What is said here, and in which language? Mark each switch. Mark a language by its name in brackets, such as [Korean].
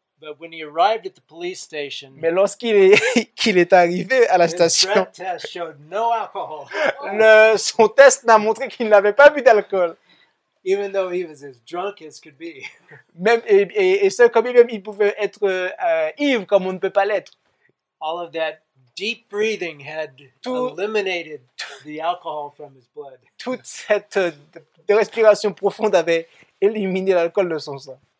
[English] But when he arrived at the police station, [French] mais lorsqu'il est, qu'il est arrivé à la station, [English] test showed no alcohol. [French] Le, son test n'a montré qu'il n'avait pas bu d'alcool. [English] Even though he was as drunk as could be. [French] Même, et ce, comme même il pouvait être ivre comme on ne peut pas l'être. [English] All of that deep breathing had tout, eliminated the alcohol from his blood. [French] Toute cette de respiration profonde avait éliminé l'alcool de son sang.